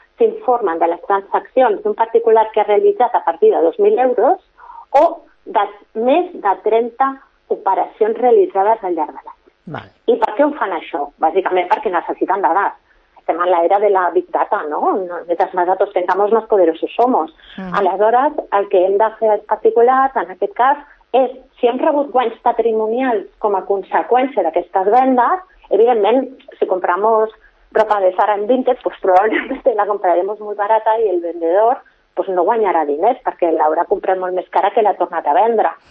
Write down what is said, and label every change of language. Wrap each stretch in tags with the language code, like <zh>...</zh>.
<ca>S'informen de les transaccions d'un particular que ha realitzat a partir de 2.000 euros o de més de 30 operacions realitzades al llarg de l'any. I per què ho fan això? Bàsicament perquè necessiten dades. Estem en l'era de la big data, no?</ca> <es>Mientras más datos tengamos, más poderosos somos.</es> <ca>Aleshores, el que hem de fer els particulars, en aquest cas, és, si hem rebut guanys patrimonials com a conseqüència d'aquestes vendes, evidentment, si</ca> <es>compramos ropa de Zara en Vinted, pues probablemente la compraremos muy barata y el vendedor pues</es> <ca>no guanyarà diners perquè l'haurà comprat molt més cara que l'ha tornat a vendre.</ca>